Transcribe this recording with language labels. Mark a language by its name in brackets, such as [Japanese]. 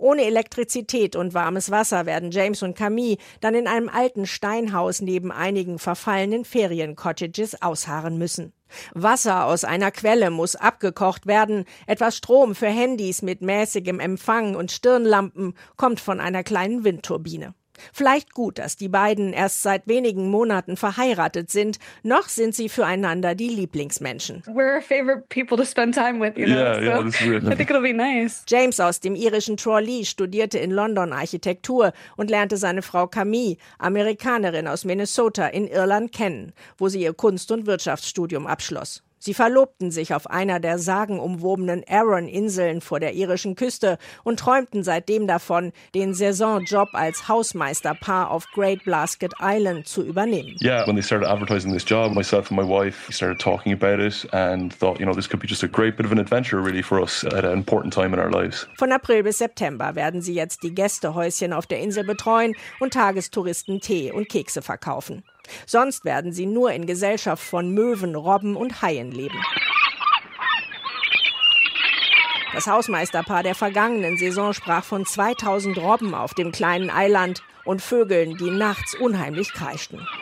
[German] Ohne Elektrizität und warmes Wasser werden James und Camille dann in einem alten Steinhaus neben einigen verfallenen Feriencottages ausharren müssen. Wasser aus einer Quelle muss abgekocht werden. Etwas Strom für Handys mit mäßigem Empfang und Stirnlampen kommt von einer kleinen Windturbine. Vielleicht gut, dass die beiden erst seit wenigen Monaten verheiratet sind. Noch sind sie füreinander die Lieblingsmenschen. [English] We're our favorite people to spend time with, you know. Yeah, I think it'll be nice. [German] James aus dem irischen Tralee studierte in London Architektur und lernte seine Frau Camille, Amerikanerin aus Minnesota, in Irland kennen, wo sie ihr Kunst- und Wirtschaftsstudium abschloss. Sie verlobten sich auf einer der sagenumwobenen Arran-Inseln vor der irischen Küste und träumten seitdem davon, den Saisonjob als Hausmeisterpaar auf Great Blasket Island zu übernehmen. [English] Yeah, when they started advertising this job, myself and my wife started talking about it and thought, you know, this could be just a great bit of an adventure really for us at an important time in our lives. [German] Von April bis September werden sie jetzt die Gästehäuschen auf der Insel betreuen und Tagestouristen Tee und Kekse verkaufen. Sonst werden sie nur in Gesellschaft von Möwen, Robben und Haien leben. Das Hausmeisterpaar der vergangenen Saison sprach von 2000 Robben auf dem kleinen Eiland und Vögeln, die nachts unheimlich kreischten.